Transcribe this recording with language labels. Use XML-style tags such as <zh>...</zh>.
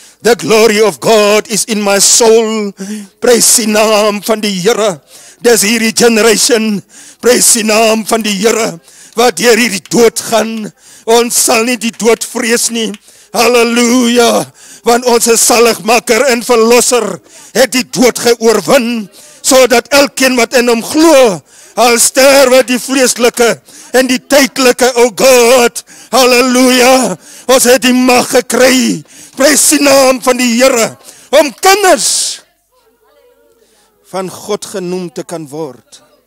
<en>The glory of God is in my soul.</en> <af>Praise die naam van die Here. Dis hierdie generation. Praise die naam van die Here. Wat hier hierdie dood gaan. Ons sal nie die dood vrees nie. Halleluja. Want onze saligmaker en verlosser het die dood geoorwin. Zodat elkeen wat in hom glo, al sterwe die vleeslike en die tydelike, o God, halleluja, ons het die mag gekry, prys die naam van die Here, om kinders van God genoem te kan word.</af>